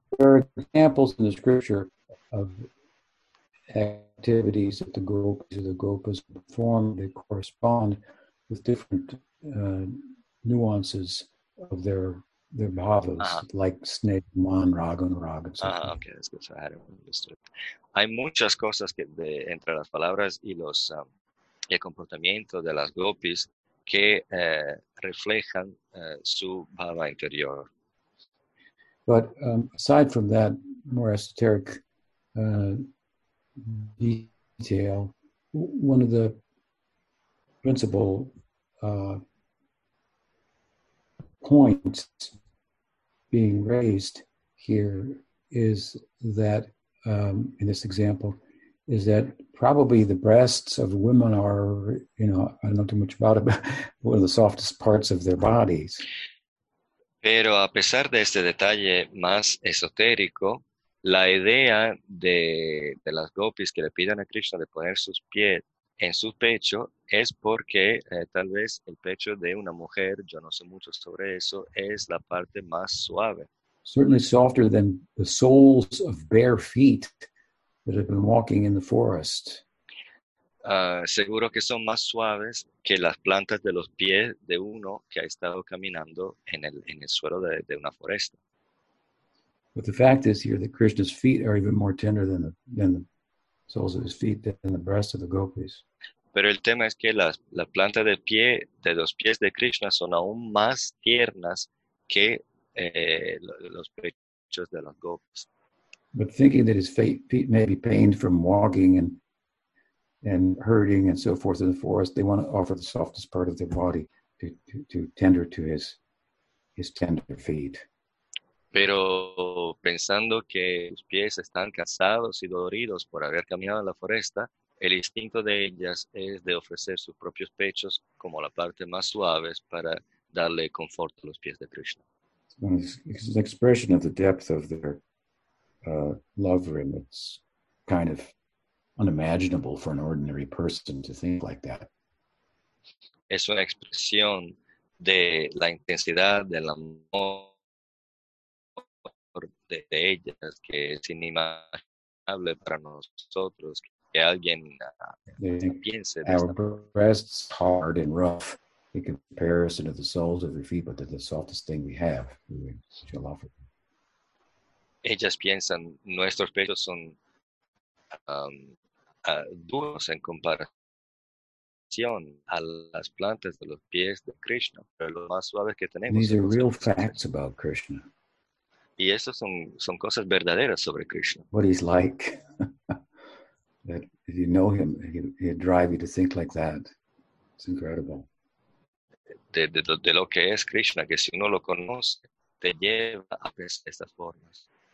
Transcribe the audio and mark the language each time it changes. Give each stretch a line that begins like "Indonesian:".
English: There are examples in the scripture of activities that the gopis or the gopas perform that correspond with different nuances of their bhavas, like snake, man, raga, raga. Okay, that's good. So I had it understood.
Spanish: Hay muchas cosas que entre las palabras y los el comportamiento de las gopis que reflejan su bhava interior.
English: But aside from that more esoteric detail, one of the principal points being raised here is that, in this example, is that probably the breasts of women are, you know, I don't know too much about it, but one of the softest parts of their bodies.
Spanish: Pero a pesar de este detalle más esotérico, la idea de las gopis que le pidan a Krishna de poner sus pies en su pecho es porque tal vez el pecho de una mujer, yo no sé mucho sobre eso, es la parte más suave.
English: Certainly softer than the soles of bare feet that have been walking in the forest.
Spanish: Seguro que son más suaves que las plantas de los pies de uno que ha estado caminando en el suelo de una foresta.
English: But the fact is here that Krishna's feet are even more tender than the soles of his feet, than the breasts of the gopis.
Spanish: Pero el tema es que las plantas del pie, de los pies de Krishna, son aún más tiernas que los pechos de las gopis.
English: But thinking that his feet may be pained from walking and hurting and so forth in the forest, they want to offer the softest part of their body to tender to his tender feet.
Spanish: Pero pensando que sus pies están cansados y doloridos por haber caminado en la foresta, el instinto de ellas es de ofrecer sus propios pechos como la parte más suave para darle confort a los pies de Krishna.
English: It's an expression of the depth of their love for him. It's kind of unimaginable for an ordinary person to think like that.
Spanish: Es una expresión de la intensidad del amor de ellas, que es inimaginable para nosotros que alguien piense.
English: Our breasts hard and rough in comparison to the soles of your feet, but they're the softest thing we have. She'll offer.
Spanish: Ellas piensan, nuestros pechos son duros en comparación a las plantas de los pies de Krishna, pero lo más suave que tenemos.
English: These are real facts about Krishna.
Spanish: Y eso son cosas verdaderas sobre Krishna.
English: What he's like. That if you know him, he'd drive you to think like that. It's incredible.
Spanish: De lo que es Krishna, que si uno lo conoce, te lleva a pensar estas formas.